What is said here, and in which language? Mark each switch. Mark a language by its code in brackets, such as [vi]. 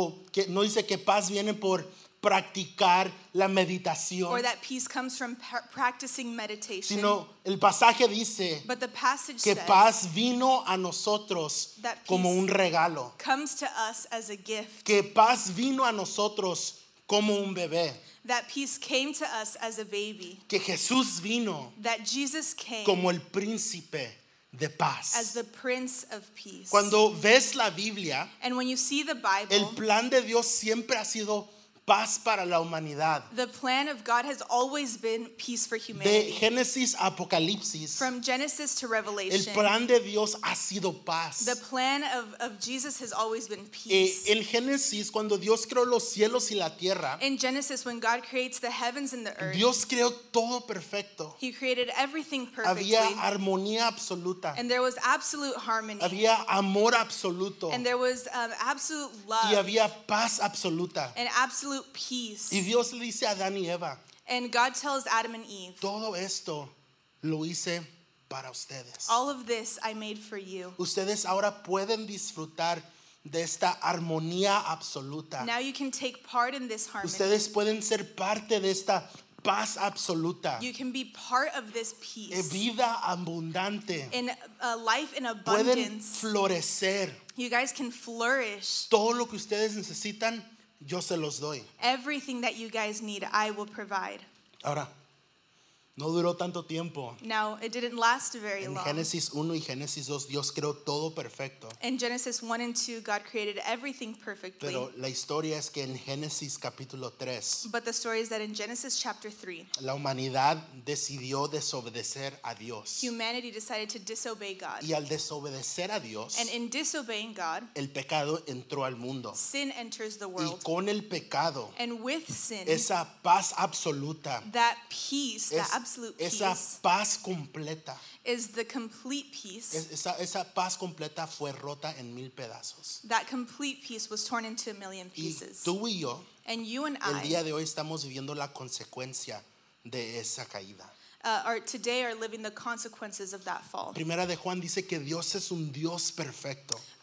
[es] Que no dice que paz viene por practicar la meditación. [en] Or that peace comes from practicing meditation. [es] Sino el pasaje dice. [en] But the passage [es] que [en] says [es] paz vino a nosotros como un regalo. [en] Comes to us as a gift. [es] Que paz vino a nosotros como un bebé. [en] That peace came to us as a baby. [es] Que Jesús vino. [en] That Jesus came. [es] Como el príncipe de paz. [en] As the prince of peace. [es] Cuando ves la Biblia. [en] And when you see the Bible. [es] El plan de Dios siempre ha sido paz para la humanidad. [en] The plan of God has always been peace for humanity. [es] De Génesis a Apocalipsis. [en] From Genesis to Revelation. [es] El plan de Dios ha sido paz. [en] The plan of Jesus has always been peace. [es] En Génesis, cuando Dios creó los cielos y la tierra. [en] In Genesis, when God creates the heavens and the earth. [es] Dios creó todo perfecto. [en] He created everything perfectly. [es] Había armonía absoluta. [en] And there was absolute harmony. [es] Había amor absoluto. [en] And there was absolute love. [es] Y había paz absoluta. [en] And absolute peace. [es] Y Dios le dice a Adán y Eva, [en] and God tells Adam and Eve, [es] todo esto lo hice para ustedes. [en] All of this I made for you. [es] Ustedes ahora pueden disfrutar de esta armonía absoluta. [en] Now you can take part in this harmony. [es] Ustedes pueden ser parte de esta paz absoluta. [en] You can be part of this peace. [es] En vida abundante. [en] In a life in abundance. [es] Pueden florecer. [en] You guys can flourish. [es] Todo lo que ustedes necesitan, yo se los doy. [en] Everything that you guys need, I will provide. [es] Ahora, no duró tanto tiempo. [en] Now, it didn't last very [es] en [en] long. [es] En Génesis 1 y Génesis 2, Dios creó todo perfecto. [en] In Genesis 1 and 2, God created everything perfectly. [es] Pero la historia es que en Génesis capítulo 3. [en] But the story is that in Genesis chapter 3. [es] La humanidad decidió desobedecer a Dios. [en] Humanity decided to disobey God. [es] Y al desobedecer a Dios. [en] And in disobeying God. [es] El pecado entró al mundo. [en] Sin enters the world. [es] Y con el pecado. [en] And with sin. [es] Esa paz absoluta. [en] That peace, that absolute peace. [es] Esa paz completa. [en] Is the complete peace. [es] Esa paz completa fue rota en mil pedazos. [en] That complete peace was torn into a million pieces. [es] Y tú y yo, [en] and you and [es] el día de hoy estamos viviendo la consecuencia de esa caída. [en] Or today are living the consequences of that fall. [es] Primera de Juan dice que Dios es un Dios perfecto.